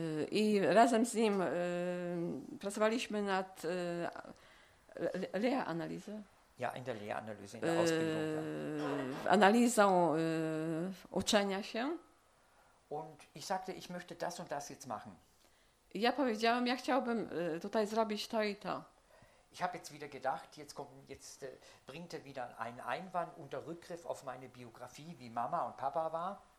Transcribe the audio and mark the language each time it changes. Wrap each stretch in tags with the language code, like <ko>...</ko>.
<pl>I razem z nim pracowaliśmy nad Lehranalyse.</pl> <de>Ja, in der Lehranalyse, in der Ausbildung.</de> <pl>Analizą uczenia się.</pl> <de>Und ich sagte, ich möchte das und das jetzt machen.</de> <pl>Ja powiedziałem, ja chciałbym tutaj zrobić to i to.</pl> <de>Ich habe jetzt wieder gedacht, jetzt bringt er wieder einen Einwand unter Rückgriff auf meine Biografie, wie Mama und Papa war.</de>